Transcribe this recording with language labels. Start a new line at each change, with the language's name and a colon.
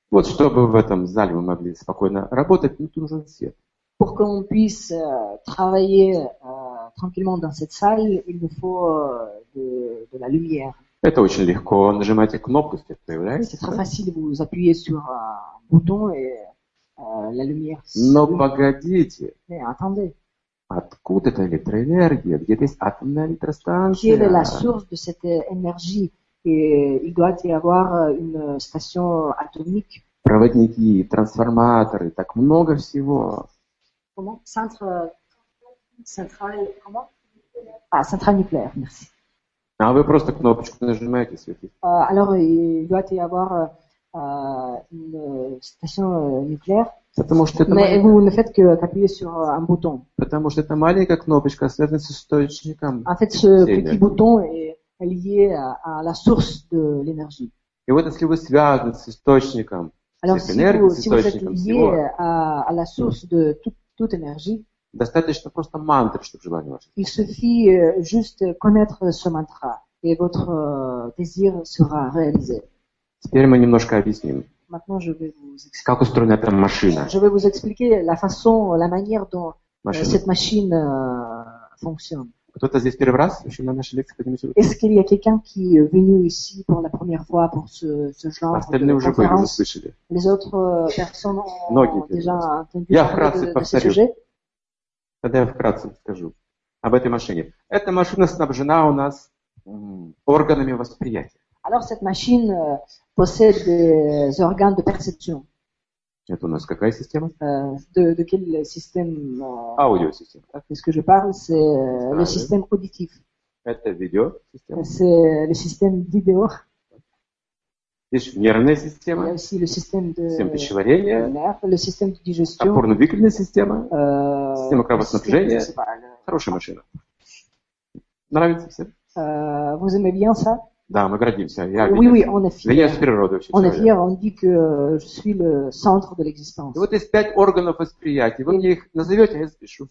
Russian: Вот, чтобы в этом зале мы могли спокойно работать, нам нужен свет.
French: Pour qu'on puisse travailler tranquillement dans cette salle, il nous faut de la lumière.
Russian: Это очень легко. Нажимаете кнопку, свет появляется.
French: C'est très facile. Vous appuyez sur un bouton et la lumière.
Russian: Но погодите.
French: Mais attendez.
Russian: Откуда эта электроэнергия? Где-то есть атомная электростанция.
French: Quelle est la source de cette énergie? Et il doit y avoir une station atomique.
Russian: Проводники, трансформаторы, так много всего.
French: Comment? Central, comment? Ah, central nucléaire, merci.
Russian: А вы просто кнопочку нажимаете, светит.
French: Alors, il doit y avoir une station nucléaire.
Russian: Потому что это маленькая.
French: Mais vous ne faites que appuyer sur un bouton.
Russian: Потому что это маленькая кнопочка, связанная с источником.
French: En fait, ce petit bouton est lié à la source de l'énergie.
Russian: И вот если вы связаны с источником,
French: alors,
Russian: с энергией, с источником всего.
French: Alors, si vous êtes lié à la source de toute énergie.
Russian: Достаточно просто мантры, чтобы желание ваше.
French: Il suffit juste connaître ce mantra et votre désir sera réalisé.
Russian: Теперь мы немножко объясним.
French: Maintenant, je vais vous expliquer.
Russian: Как устроена эта машина?
French: Je vais vous expliquer la façon, la manière dont cette machine fonctionne.
Russian: Кто-то здесь первый раз еще на нашей лекции поднимется?
French: Est-ce qu'il y a quelqu'un qui est venu ici pour la première fois pour ce genre de conférence?
Russian: Остальные уже были, слышали.
French: Les autres personnes ont déjà entendu parler de ce sujet?
Russian: Тогда я вкратце скажу об этой машине. Эта машина снабжена у нас органами восприятия.
French: Alors cette machine possède des organes de perception.
Russian: Это у нас какая система?
French: De quelle système?
Russian: Аудиосистема.
French: Qu'est-ce que je parle? C'est le système auditif.
Russian: Это видеосистема.
French: C'est le système vidéo.
Russian: Здесь нервная система.
French: Il y a aussi le système de
Russian: пищеварения.
French: Le système de digestion.
Russian: Опорно-двигательная система. Система кровоснабжения. Хорошая машина. Нравится всем?
French: Vous aimez bien ça?
Russian: Да, мы гордимся.
French: Oui, on est fier.
Russian: Венец природы вообще.
French: On est fier, on dit que je suis le centre de l'existence.
Russian: И вот есть пять органов восприятия. Вы мне их назовете, я запишу.